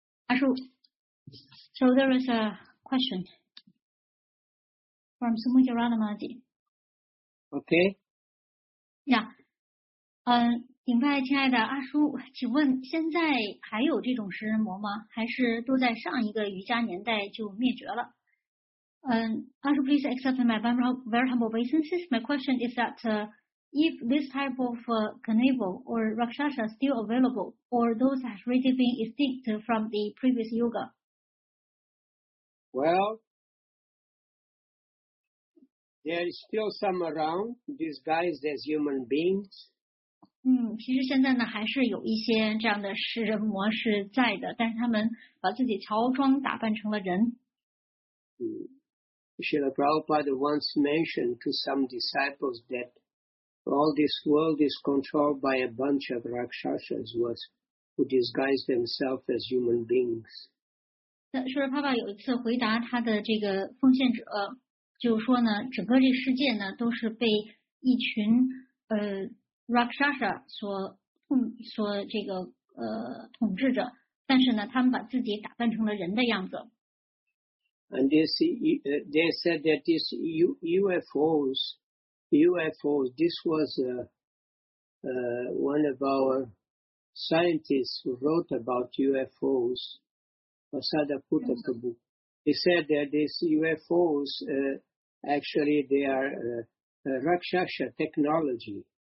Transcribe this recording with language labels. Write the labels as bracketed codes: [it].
[en] Ashu, so there is a question from Sumujirana Maji. Okay. Yeah. [zh] 请拜亲爱的阿叔，请问现在还有这种食人魔吗？还是都在上一个瑜伽年代就灭绝了？ [en] Ashu, please accept my very humble obeisances. My question is that if this type of carnival or rakshasa is still available, or those have already been extinct from the previous yoga? Well, there is still some around disguised as human beings. [zh] 其实现在呢还是有一些这样的食人魔是在的，但是他们把自己乔装打扮成了人。 [en] Srila Prabhupada once mentioned to some disciples that all this world is controlled by a bunch of rakshasas who disguise themselves as human beings. [zh] Srila Prabhupada 有一次回答他的这个奉献者，就是说呢，整个这世界呢都是被一群rakshasa 所统治着，但是呢，他们把自己打扮成了人的样子。 [en] And they said that these UFOs, this was one of our scientists who wrote about UFOs, Prasada Puttaprabhu. He said that these UFOs, actually they are Rakshasa technology.